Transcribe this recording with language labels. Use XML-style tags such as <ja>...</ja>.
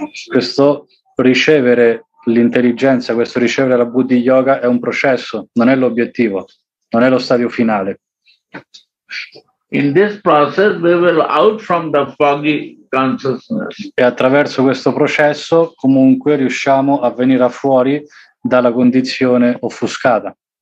<it>Questo ricevere l'intelligenza, questo ricevere la Buddhi Yoga è un processo, non è l'obiettivo, non è lo stadio finale.</it> <en>In this process we will out from the foggy consciousness.</en> <it>E attraverso questo processo comunque riusciamo a venire a fuori dalla condizione offuscata.</it>